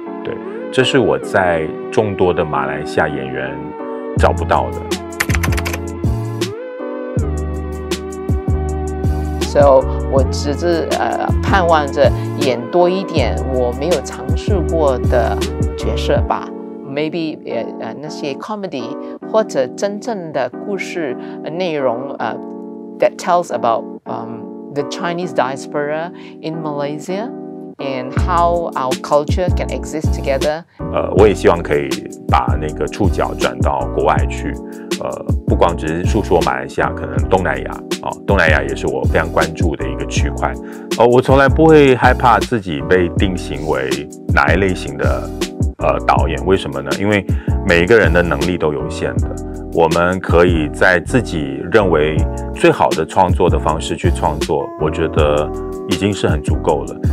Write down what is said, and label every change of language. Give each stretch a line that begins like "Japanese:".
Chinese: 对，这是我在众多的马来西亚演员找不到的。 So, 我只是盼望着演多一点我没有尝试过的角色吧。
English: Maybe
Chinese: 那些
English: comedy
Chinese: 或者真正的故事内容
English: that tells about the Chinese diaspora in Malaysia and how our culture can exist together.
Chinese: 我也希望可以把那个触角转到国外去，不光只是述说马来西亚，可能东南亚哦，东南亚也是我非常关注的一个区块。我从来不会害怕自己被定型为哪一类型的导演，为什么呢？因为每一个人的能力都有限的，我们可以在自己认为最好的创作的方式去创作，我觉得已经是很足够了。